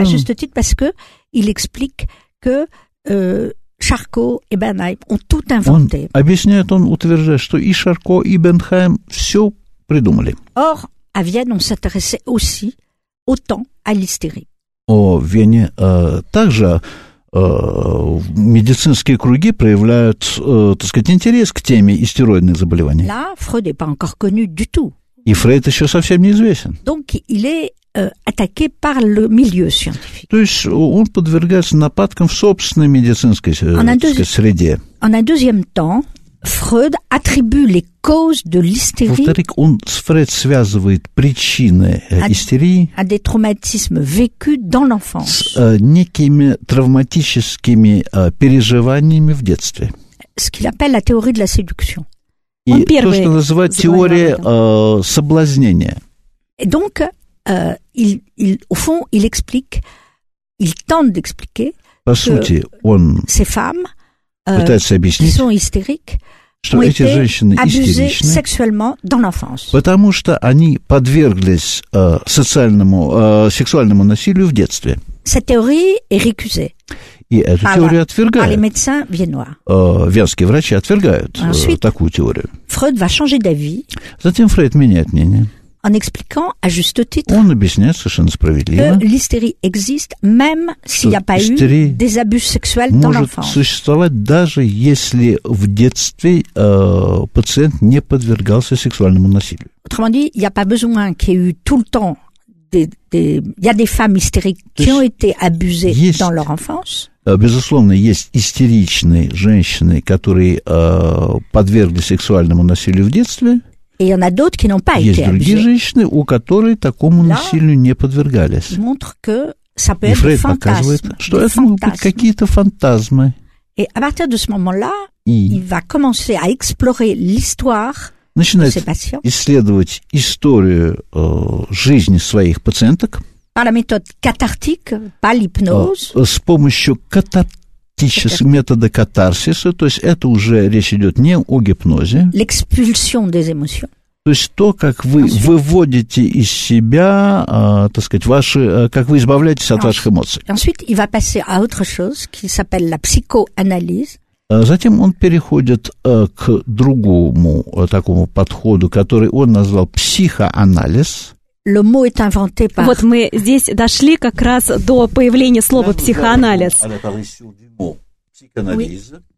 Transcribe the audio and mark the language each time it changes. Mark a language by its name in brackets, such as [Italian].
[French] À juste titre, parce que il explique que Charcot et Bernheim ont tout inventé. [Russian] Он объясняет, он утверждает, что и Шарко, и Бернхайм все придумали. [French] Or, à Vienne, on s'intéressait aussi autant à l'hystérie. [Russian] О, в Вене также медицинские круги проявляют, так сказать, интерес к теме истероидных заболеваний. [French] Là, Freud est pas encore connu du tout. [Russian] И Фрейд еще совсем неизвестен. [French] Donc, il est, attaqué par le milieu scientifique. [Russian] То есть он подвергается нападкам в собственной медицинской среде. [French] En un deuxième temps, Freud attribue les causes de l'hystérie. [Russian] Во-вторых, он с Фрейд связывает причины истерии. [French] À des traumatismes vécus dans l'enfance. [Russian] С некими травматическими переживаниями в детстве. [French] Ce qu'il appelle la théorie de la séduction. [Russian] И то, что называют теорией соблазнения. [French] Et donc, il, au fond, il explique, il tente d'expliquer. [Russian] По сути, он. [French] Ces femmes. [Russian] Пытается объяснить, [French] sont hystériques, [Russian] что эти женщины истеричны, потому что они подверглись социальному, сексуальному насилию в детстве. [French] Cette théorie est récusée. [Russian] И эту теорию отвергают. [French] Par les médecins viennois. [Russian] Венские врачи отвергают такую теорию. [French] Freud va changer d'avis. [Russian] Затем Фрейд меняет мнение. [French] En expliquant à juste titre. [Russian] Он объясняет совершенно справедливо. [French] Que l'hystérie existe même s'il n'y a pas eu des abus sexuels dans l'enfance. [Russian] Может существовать даже если в детстве пациент не подвергался сексуальному насилию. [French] Autrement dit, il n'y a pas besoin qu'il y ait eu tout le temps il y a des femmes hystériques qui ont été abusées dans leur enfance. [Russian] Безусловно, есть истеричные женщины, которые подверглись сексуальному насилию в детстве. [French] Et il y en a d'autres qui n'ont pas [Russian] есть [French] été abusées. [Russian] Другие женщины, у которой такому [French] là, [Russian] насилию не подвергались. [French] Montre que ça peut [Russian] и Фрейд [French] être fantasme, [Russian] показывает, что это могут быть какие-то фантазмы. [French] Et à partir de ce moment-là, il va commencer à explorer l'histoire de ses patients. [Russian] Исследовать историю жизни своих пациенток. [French] Par la méthode cathartique, pas l'hypnose. [Russian] С помощью метода катарсиса, то есть это уже речь идет не о гипнозе. [French] L'expulsion des émotions. [Russian] То есть то, как вы [French] ensuite. [Russian] Выводите из себя, так сказать, ваши, как вы избавляетесь от ваших эмоций. [French] Ensuite, il va passer à autre chose qui s'appelle la psychoanalyse. [Russian] Затем он переходит к другому такому подходу, который он назвал психоанализ. [French] Le mot est inventé par... [Russian] Вот мы здесь дошли как раз до появления слова «психоанализ». Психоанализ.